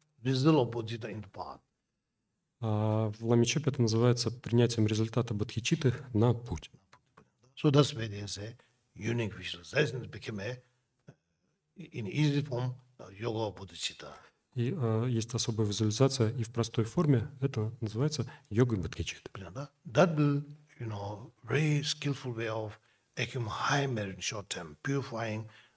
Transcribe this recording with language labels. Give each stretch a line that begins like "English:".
Russian: В Лама Чопе это называется принятием результата бодхичитты на путь.
English: So that's where there's a unique visualization that became a, in easy form yoga bodhicitta.
Russian: И есть особая визуализация, и в простой форме это называется йогой бодхичитты. Понятно?
English: That will, you know, very skillful way of accumulating high merit in short term, purifying.